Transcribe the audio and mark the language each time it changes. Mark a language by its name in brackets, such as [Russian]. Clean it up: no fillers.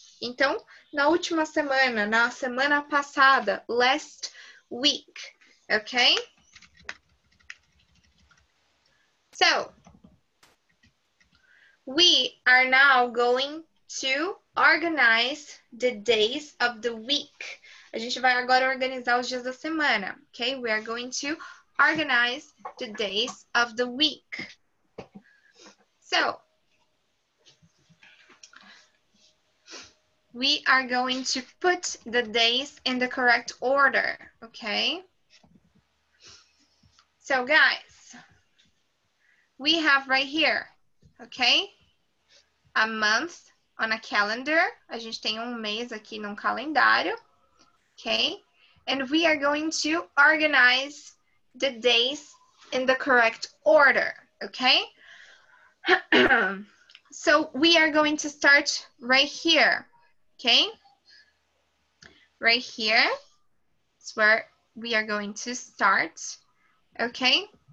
[Portuguese] Então, na última semana, na semana passada, [English] last week, [Portuguese] okay? [English] So, we are now going to organize the days of the week. [Portuguese] A gente vai agora organizar os dias da semana, okay? [English] We are going to organize the days of the week. So, we are going to put the days in the correct order, okay? So guys, we have right here, okay? A month on a calendar. [Portuguese] A gente tem um mês aqui num calendário, okay? [English] And we are going to organize the days in the correct order, okay? So we are going to start right here. Okay, right here is where we are going to start, okay?